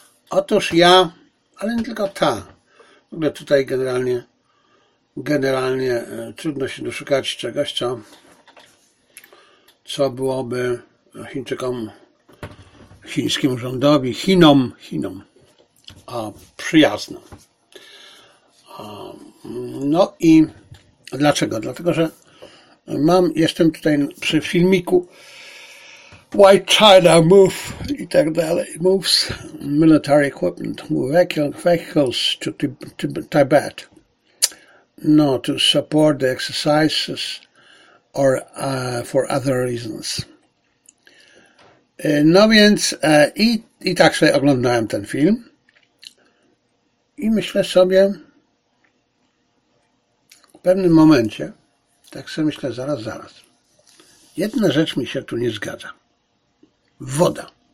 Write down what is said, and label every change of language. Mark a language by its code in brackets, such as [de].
[pl] Otóż ja, ale nie tylko ta, w ogóle tutaj generalnie trudno się doszukać czegoś, co byłoby Chińczykom, chińskim rządowi, Chinom, a przyjazne. No i dlaczego? Dlatego, że jestem tutaj przy filmiku Why China Moves i tak dalej. [en] Moves military equipment, vehicles to Tibet. No, to support the exercises or for other reasons. [pl] No więc i tak sobie oglądałem ten film i myślę sobie w pewnym momencie, tak sobie myślę zaraz, jedna rzecz mi się tu nie zgadza. Woda.